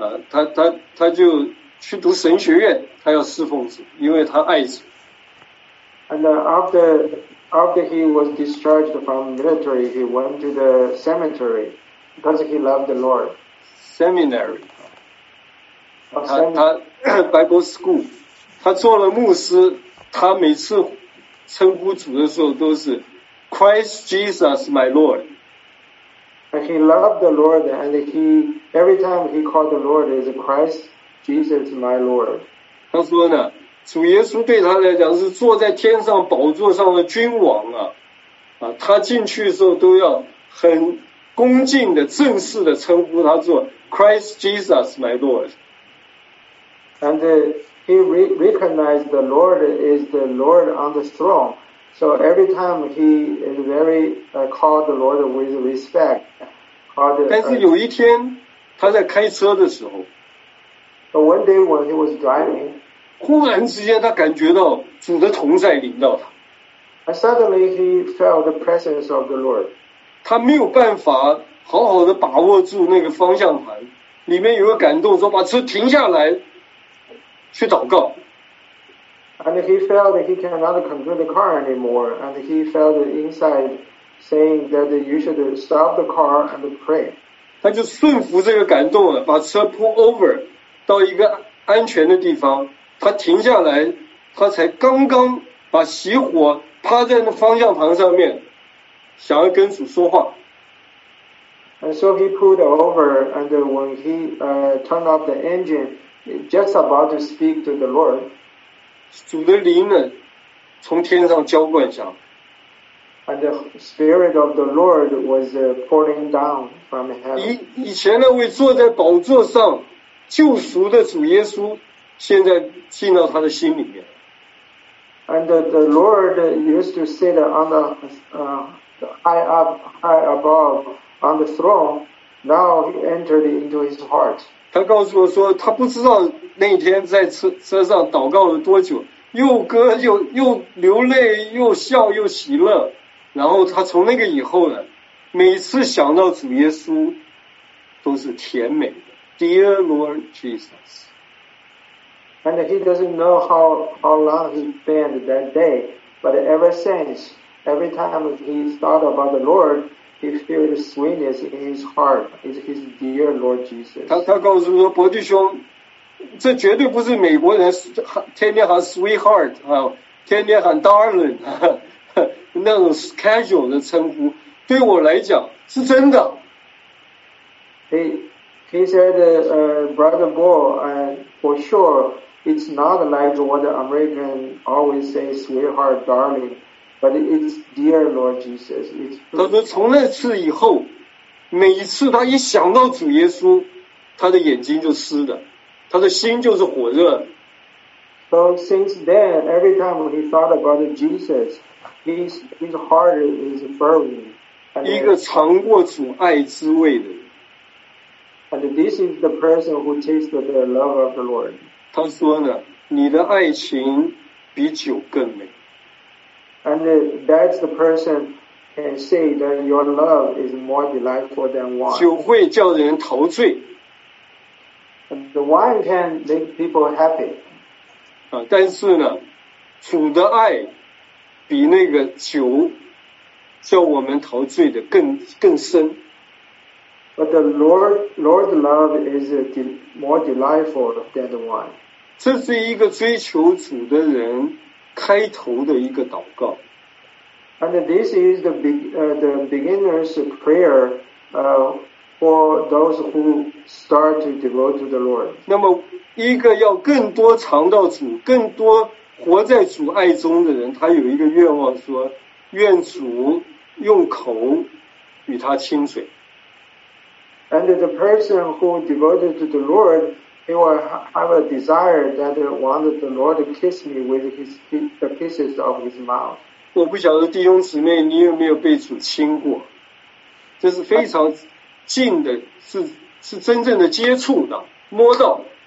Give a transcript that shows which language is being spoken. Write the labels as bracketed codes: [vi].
[zh] 他就去读神学院，他要侍奉主，因为他爱主。 [en] And after he was discharged from military, he went to the cemetery because he loved the Lord. Seminary. 他 Bible school. [zh] 他做了牧师。他每次称呼主的时候都是 [en] Christ Jesus, my Lord. And he loved the Lord, and he every time he called the Lord is Christ Jesus, my Lord. [zh] 他说呢，主耶稣对他来讲是坐在天上宝座上的君王啊，他进去的时候都要很恭敬的、正式的称呼他做 [en] Christ Jesus, my Lord. And He recognized the Lord is the Lord on the throne. So every time he is very called the Lord with respect. [zh] 但是有一天他在开车的时候 [en] But one day when he was driving, [zh] 忽然之间他感觉到主的同在临到他。 [en] And suddenly he felt the presence of the Lord. [zh] 他没有办法好好的把握住那个方向盘，里面有个感动说把车停下来去祷告。 [en] And he felt that he cannot control the car anymore, and he felt inside saying that you should stop the car and pray. [zh] 他就顺服这个感动了，把车 [en] pull over [zh] 到一个安全的地方。他停下来，他才刚刚把熄火，趴在那方向盘上面，想要跟主说话。 [en] And so he pulled over, and when he turned off the engine. Just about to speak to the Lord. [zh] 主的灵呢，从天上浇灌下。 [en] And the Spirit of the Lord was pouring down from heaven. [zh] 以前那位坐在宝座上救赎的主耶稣，现在进到他的心里面。 [en] And the Lord used to sit on the high above on the throne. Now he entered into his heart. [zh] 他告诉我说，他不知道那天在车上祷告了多久，又歌又又流泪又笑又喜乐，然后他从那个以后呢，每次想到主耶稣都是甜美的 ， [en] Dear Lord Jesus。 And he doesn't know how long he spent that day, but ever since, every time he thought about the Lord, he feels the sweetness in his heart. It's his dear Lord Jesus. [zh] 他告诉说，伯弟兄，这绝对不是美国人天天喊 sweetheart 啊，天天喊 darling 那种 casual 的称呼。对我来讲，是真的。 [en] He said, Brother Bo, for sure. It's not like what the American always say, sweetheart, darling, but it's dear Lord Jesus. [zh] 他说从那次以后，每一次他一想到主耶稣，他的眼睛就湿的，他的心就是火热。 [en] So since then, every time he thought about Jesus, his heart is burning. [zh] 一个尝过主爱滋味的人。 [en] And this is the person who tasted the love of the Lord. [zh] 他说呢，你的爱情比酒更美。 [en] And that's the person can say that your love is more delightful than wine. [zh] 酒会叫人陶醉。 [en] And the wine can make people happy. [zh] 啊，但是呢，主的爱比那个酒叫我们陶醉的更深。 [en] But the Lord's love is more delightful than the wine. [zh] 这是一个追求主的人开头的一个祷告。 [en] And this is the beginner's prayer, for those who start to devote to the Lord. [zh] 那么一个要更多尝到主，更多活在主爱中的人，他有一个愿望说，愿主用口与他亲嘴。 [en] And the person who devoted to the Lord,He will have a desire that wanted the Lord to kiss me with the kisses of his mouth. [zh] 我不晓得弟兄姊妹，你有没有被主亲过？这是非常近的，是真正的接触的，摸到。